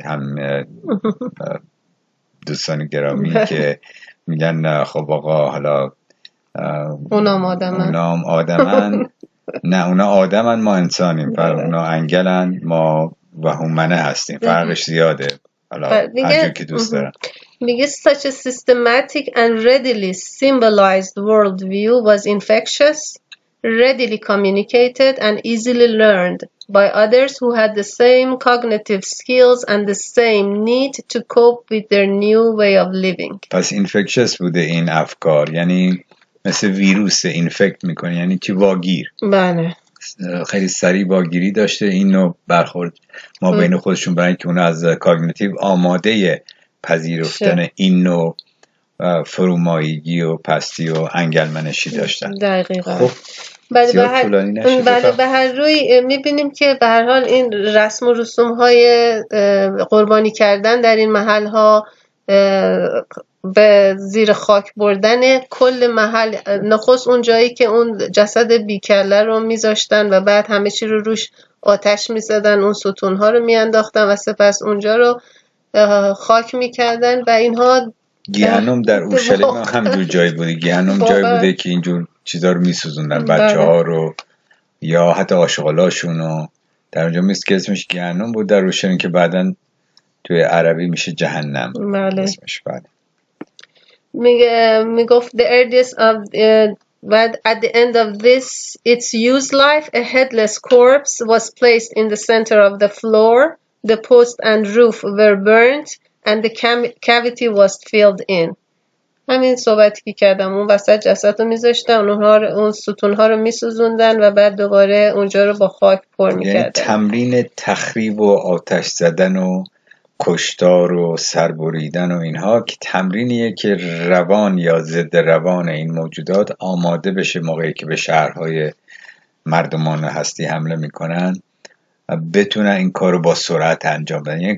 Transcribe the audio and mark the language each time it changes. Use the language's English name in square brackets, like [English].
[Persian] هم دوستان گرامی که میگن خب آقا حالا اونام آدمن نه اونا آدمن، ما انسانیم، اونا انگلن، ما وهمنه هستیم، فرقش زیاده. حالا هرکی که دوست دارن [English] میگه such a systematic and readily symbolized world view was infectious, readily communicated and easily learned by others who had the same cognitive skills and the same need to cope with their new way of living. [Persian] پس infectious بوده این افکار، یعنی مثل ویروس infect میکنه، یعنی چی؟ واگیر. بله. خیلی سریع واگیری داشته اینو برخورد ما بین خودشون، برای اینکه اون از کاگنیتیو آماده پذیرفتن این نوع فرومایگی و پستی و انگل منشی داشتن. دقیقا. خب بله، زیاد طولانی نشه. بله، به هر روی میبینیم که به هر حال این رسم و رسوم های قربانی کردن در این محل ها به زیر خاک بردن کل محل، نخست اون جایی که اون جسد بیکله رو میذاشتن و بعد همه چی رو روش آتش میزدن، اون ستون ها رو میانداختن و سپس اونجا رو خاک میکردن و اینها گیهنوم در اورشلیم هم همینجور جایی بوده، گیهنوم جایی واقعا بوده که اینجور چیزها رو میسوزوندن، بچه بله ها رو یا حتی آشغالاشون رو در اونجا میست که اسمش گیهنوم بود در اورشلیم، که بعدا توی عربی میشه جهنم بله اسمش. بله [English] میگفت the earliest of but at the end of this its used life a headless corpse was placed in the center of the floor. The post and roof were burnt and the cavity was filled in. [Persian] همین صحبتی که کردم، اون وسط جسد رو میذاشتن، اونها رو، اون ستون ها رو میسوزوندن و بعد دوباره اونجا رو با خاک پر میکردن. یعنی تمرین تخریب و آتش زدن و کشتار و سربریدن و اینها، که تمرینیه که روان یا ضد روان این موجودات آماده بشه موقعی که به شهرهای مردمان هستی حمله میکنن، بتونن این کار رو با سرعت انجام بدن.